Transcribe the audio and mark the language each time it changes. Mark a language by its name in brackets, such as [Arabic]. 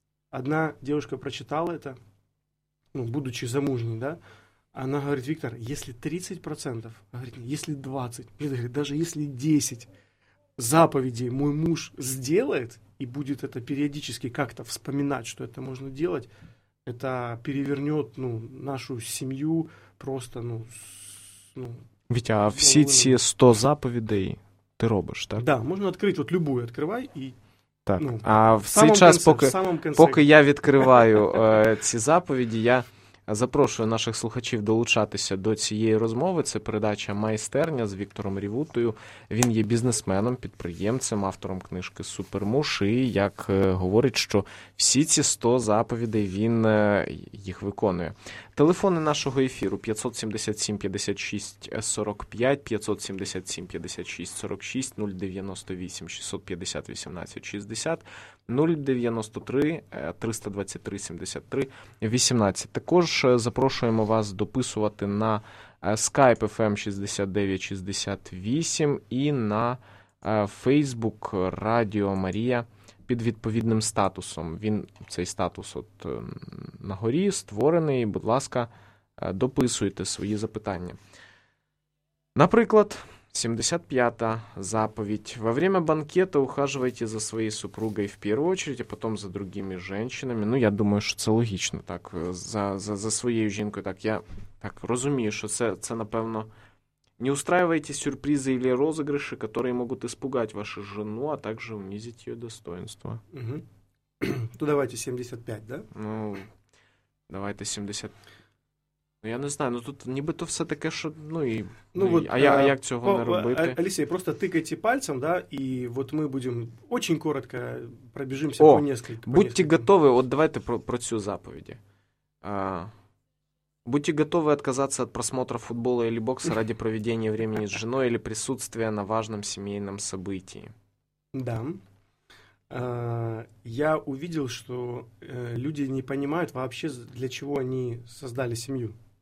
[Russian] Одна девушка прочитала это, ну, будучи замужней, да, она говорит: Виктор, если 30%, говорит, если 20%, говорит, даже если 10 заповедей мой муж сделает и будет это периодически как-то вспоминать, что это можно делать, это перевернет, ну, нашу семью просто, ну, Витя, а все эти 100 заповедей ты [Ukrainian] робиш, так? Да, можна відкрити, от [Russian] любую [Ukrainian] відкривай і. Так. Ну, а в цей час, поки я відкриваю ці заповіді, я запрошую наших слухачів долучатися до цієї розмови. Це передача «Майстерня» з Віктором Рівутою. Він є бізнесменом, підприємцем, автором книжки «Супермуш». І, як говорить, що всі ці 100 заповідей він їх виконує. Телефони нашого ефіру 577-56-45, 577-56-46, 098-650-18-60, 093-323-73-18. Також запрошуємо вас дописувати на Skype FM69-68 і на Facebook Радіо Марія під відповідним статусом. Він, цей статус от нагорі створений. Будь ласка, дописуйте свої запитання. Наприклад, 75-та заповідь. [Russian] Во время банкета ухаживайте за своей супругой в первую очередь, а потом за другими женщинами. [Ukrainian] Ну, я думаю, що це логічно, так, за своєю жінкою, так, я так розумію, що це напевно. [Russian] Не устраивайте сюрпризы или розыгрыши, которые могут испугать вашу жену, а также унизить ее достоинство. [Ukrainian] Угу. То давайте 75, да? Ну, давайте 70. Ну, я не знаю, ну тут нібито все таке, що, ну і, ну, [Russian] вот, [Ukrainian] а як цього не робити? Алексей, просто тикайте пальцем, да, і от ми будемо дуже коротко пробіжимося по нескільки. Будьте готові, от давайте про цю заповідь. [Russian] Будьте готовы отказаться от просмотра футбола или бокса ради проведения времени с женой или присутствия на важном семейном событии. Да. я увидел, что люди не понимают вообще, для чего они создали семью.